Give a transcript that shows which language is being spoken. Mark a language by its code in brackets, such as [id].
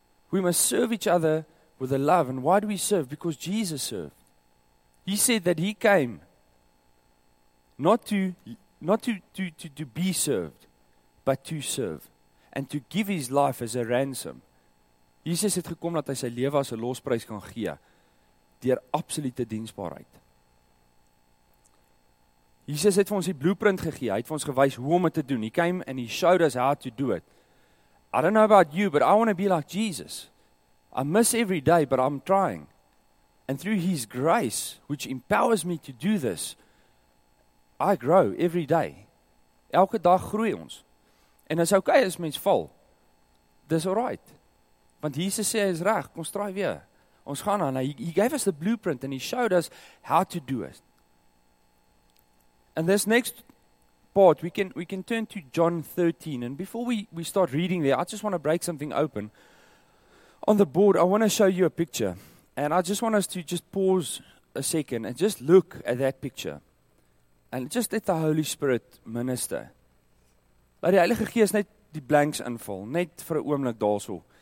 [en] We must serve each other with a love. And why do we serve? Because Jesus served. He said that he came not to be served, but to serve. And to give his life as a ransom. [af] Jesus het gekom dat hy sy lewe as 'n losprys kan gee deur absolute diensbaarheid. Jesus het vir ons die blueprint gegee. Hy het vir ons gewys hoe om dit te doen. [en] He came and he showed us how to do it. I don't know about you, but I want to be like Jesus. I miss every day, but I'm trying. And through his grace, which empowers me to do this, I grow every day. [af] Elke dag groei ons. En dis okay as mens val. Dis alright. Want Jesus sê hy is reg, kom straai weer. Ons gaan aan. [en] He gave us the blueprint and he showed us how to do it. And this next part, we can turn to John 13. And before we start reading there, I just want to break something open. On the board, I want to show you a picture. And I just want us to just pause a second and just look at that picture. And just let the Holy Spirit minister. [af] Laat die Heilige Gees net die blanks invul, net vir 'n oomblik daarso.